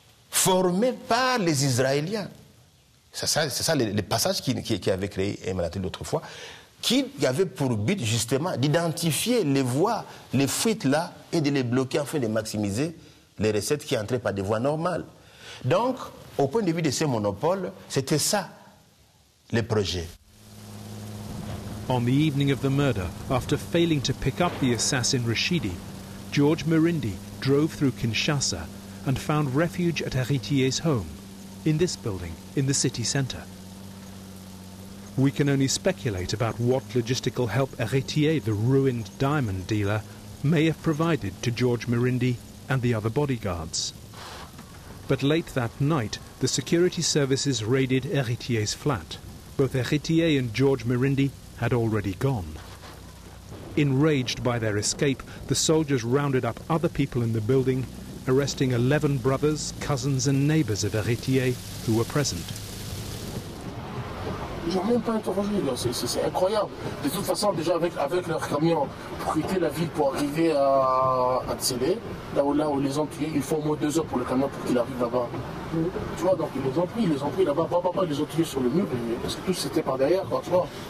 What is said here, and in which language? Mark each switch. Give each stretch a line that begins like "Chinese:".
French: formé par les Israéliens. C'est ça le passage qui avait créé Emmanuel l'autre fois, qui avait pour but justement d'identifier les voies, les fuites là, et de les bloquer afin de maximiser les recettes qui entraient par des voies normales. Donc, au point de vue de ces monopoles, c'était ça le projet.
English: On the evening of the murder, after failing to pick up the assassin Rashidi, George Merindi drove through Kinshasa and found refuge at Héritier's home, in this building, in the city centre. We can only speculate about what logistical help Héritier, the ruined diamond dealer, may have provided to George Merindi and the other bodyguards. But late that night, the security services raided Héritier's flat. Both Héritier and George Merindi had already gone. Enraged by their escape, the soldiers rounded up other people in the building, arresting 11 brothers, cousins and neighbors of Héritier who were present.
French: Je n'ai même pas interrogé, c'est incroyable. De toute façon, déjà avec leur camion, pour quitter la ville, pour arriver à Tselé, là où les ont tués, il faut au moins 2 heures pour le camion pour qu'il arrive là-bas. Tu vois, donc ils les ont pris là-bas, ils les ont tués sur le mur, parce que tout c'était par derrière, quoi, tu vois.